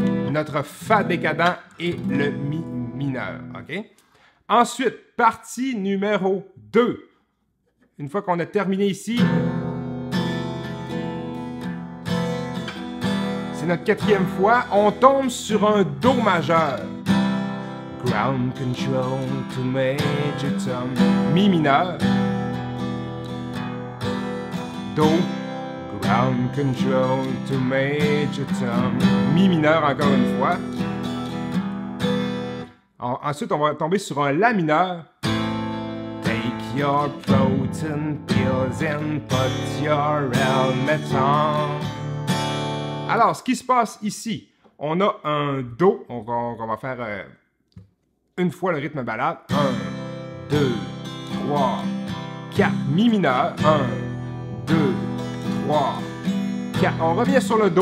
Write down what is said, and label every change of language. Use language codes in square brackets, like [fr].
[fr] Notre Fa décadent et le Mi mineur, OK? Ensuite, partie numéro 2. Une fois qu'on a terminé ici, c'est notre quatrième fois, on tombe sur un Do majeur. [en] Ground control to Major Tom. [fr] Mi mineur. [en] Do. Ground control to Major Tom. [fr] Mi mineur encore une fois. Ensuite, on va tomber sur un La mineur. [en] Take your protein pills and put your helmet on. [fr] Alors, ce qui se passe ici, on a un Do. On va faire une fois le rythme balade. 1, 2, 3, 4. Mi mineur. 1, 2, 3, 4. On revient sur le Do.